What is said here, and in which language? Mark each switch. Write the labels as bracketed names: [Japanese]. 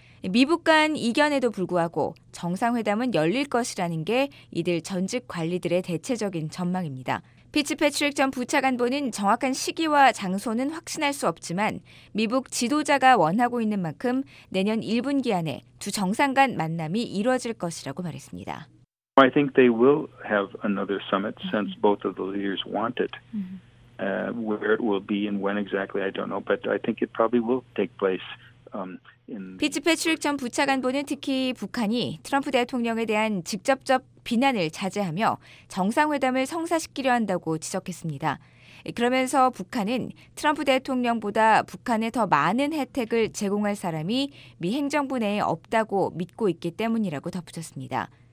[Korean] 미북 간 이견에도 불구하고 정상회담은 열릴 것이라는 게 이들 전직 관리들의 대체적인 전망입니다. 피츠패트릭 전 부차관보는 정확한 시기와 장소는 확신할 수 없지만 미국 지도자가 원하고 있는 만큼 내년 1분기 안에 두 정상 간 만남이 이루어질 것이라고 말했습니다. [English] I think they will have another summit since both of the leaders want it. Where it will be and when exactly, I don't know, but I think it probably will take place. [Korean] 피츠패트릭 전 부차관보는 특히 북한이 트럼프 대통령에 대한 직접적 비난을 자제하며 정상회담을 성사시키려 한다고 지적했습니다. 그러면서 북한은 트럼프 대통령보다 북한에 더 많은 혜택을 제공할 사람이 미 행정부 내에 없다고 믿고 있기 때문이라고 덧붙였습니다.